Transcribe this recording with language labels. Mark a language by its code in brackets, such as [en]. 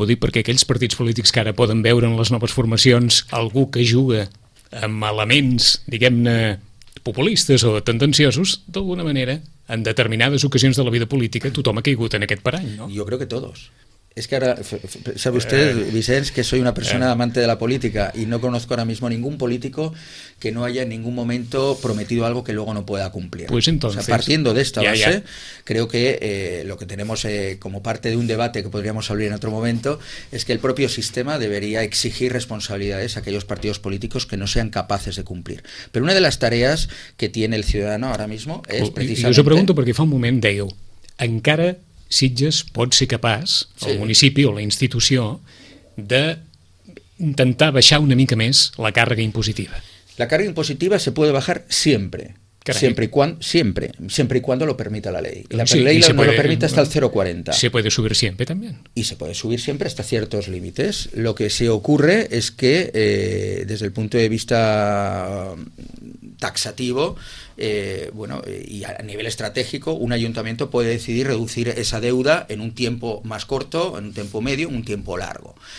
[ca] Ho dic perquè aquells partits polítics que ara poden veure en les noves formacions algú que juga amb elements, diguem-ne, populistes o tendenciosos, d'alguna manera, en determinades ocasions de la vida política, tothom ha caigut en aquest parany, no? [es] Yo creo que todos. Es que ahora, sabe usted, Vicenç, que soy una persona amante de la política y no conozco ahora mismo ningún político que no haya en ningún momento prometido algo que luego no pueda cumplir. Pues entonces, o sea, partiendo de esta base, creo que lo que tenemos como parte de un debate que podríamos abrir en otro momento es que el propio sistema debería exigir responsabilidades a aquellos partidos políticos que no sean capaces de cumplir. Pero una de las tareas que tiene el ciudadano ahora mismo es precisamente... Yo os pregunto porque [ca] fa un moment deu, encara... Sitges pot ser capaç, el municipi o la institució, d'intentar baixar una mica més la càrrega impositiva. La càrrega impositiva [es] se puede bajar siempre. Siempre y cuando lo permita la ley. La ley no lo permite hasta el 0,40. Se puede subir siempre también. Y se puede subir siempre hasta ciertos límites. Lo que se ocurre es que, desde el punto de vista taxativo, bueno, y a nivel estratégico, un ayuntamiento puede decidir reducir esa deuda en un tiempo más corto, en un tiempo medio, en un tiempo largo.